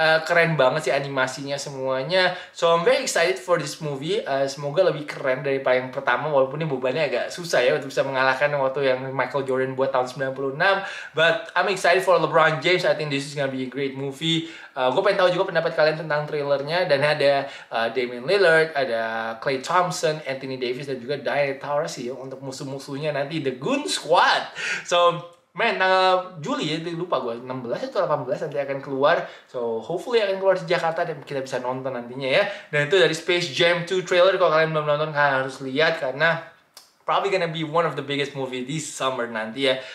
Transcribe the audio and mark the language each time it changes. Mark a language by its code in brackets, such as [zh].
[id] Keren banget sih animasinya semuanya. [en] So I'm very excited for this movie. [id] Semoga lebih keren daripada yang pertama, walaupun ini bebannya agak susah ya untuk bisa mengalahkan waktu yang Michael Jordan buat tahun 96. [en] But I'm excited for LeBron James. I think this is gonna be a great movie. [id] Gue pengen tahu juga pendapat kalian tentang trailernya. Dan ada Damian Lillard, ada Klay Thompson, Anthony Davis, dan juga Dari Taurus sih untuk musuh-musuhnya nanti, The Goon Squad. So men, tanggal Juli ya, lupa gue, 16 atau 18 nanti akan keluar. So, hopefully akan keluar di Jakarta dan kita bisa nonton nantinya ya. Dan itu dari Space Jam 2 trailer, kalau kalian belum nonton kalian harus lihat karena [en] probably gonna be one of the biggest movie this summer [id] nanti ya.